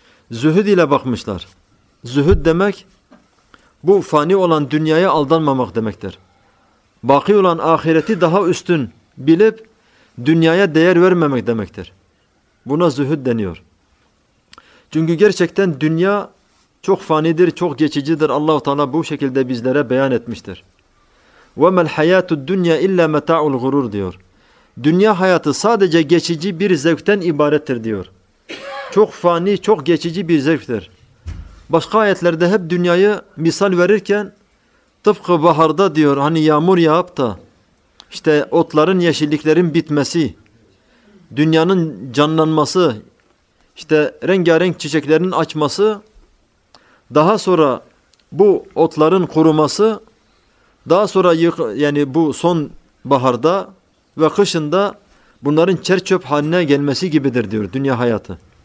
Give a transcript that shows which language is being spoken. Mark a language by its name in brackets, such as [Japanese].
[Turkish] Zühd ile bakmışlar. Zühd demek, bu fani olan dünyaya aldanmamak demektir. Baki olan ahireti daha üstün bilip dünyaya değer vermemek demektir. Buna zühd deniyor. Çünkü gerçekten dünya çok fanidir, çok geçicidir. Allah-u Teala bu şekilde bizlere beyan etmiştir. [Arabic] وَمَا الْحَيَاتُ الدُّنْيَا اِلَّا مَتَعُ الْغُرُورِ diyor. [Turkish] Dünya hayatı sadece geçici bir zevkten ibarettir diyor. Çok fani, çok geçici bir zevktir. Başka ayetlerde hep dünyayı misal verirken, tıpkı baharda diyor, hani yağmur yağıp da işte otların, yeşilliklerin bitmesi, dünyanın canlanması, işte rengarenk çiçeklerin açması, daha sonra bu otların kuruması, daha sonra yani bu son baharda ve kışında bunların çerçöp haline gelmesi gibidir diyor dünya hayatı.